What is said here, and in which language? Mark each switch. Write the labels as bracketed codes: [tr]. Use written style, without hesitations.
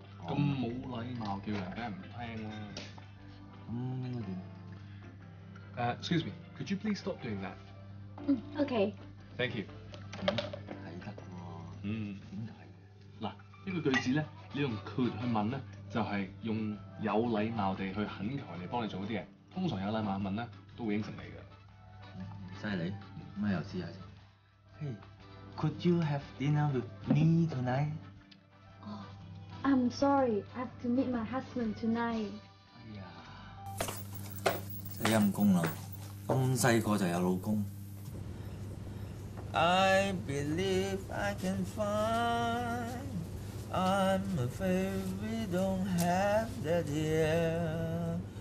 [yue] 咁冇禮貌叫人梗係唔聽啦。咁應該點？ [en] Excuse me, could you please stop doing that? Okay. Thank you. [yue] 看得喎。嗱，呢個句子咧，你用 could 去問咧，就係用有禮貌地去懇求人哋幫你做啲嘢。通常有禮貌問咧，都會應承你嘅。犀利，乜又知啊？ [en] Hey, could you have dinner with me tonight? Oh, I'm sorry, I have to meet my husband tonight. [yue] 你陰公啦，咁細個就有老公。 [en] I believe I can find I'm afraid we don't have that here.